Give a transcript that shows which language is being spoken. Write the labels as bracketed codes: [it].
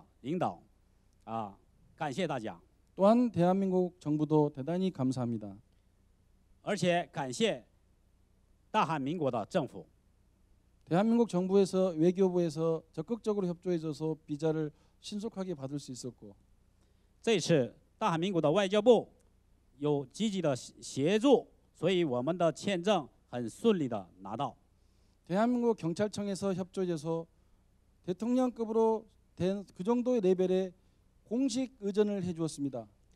[zh] 在发展中国家的中国政府的相关的长官领导们，还有菲律宾的领导，感谢大家。 [ko] 또한 대한민국 정부도 대단히 감사합니다. [zh] 而且感谢大韩民国的政府。 [ko] 대한민국 정부에서 외교부에서 적극적으로 협조해줘서 비자를 신속하게 받을 수 있었고. [zh] 这次大韩民国的外交部有积极的协助。所以我们的签证很顺利的拿到。 [ko] 대한민국 경찰청에서 협조해서 대통령급으로 된 그 정도의 레벨의 공식 의전을 해주었습니다.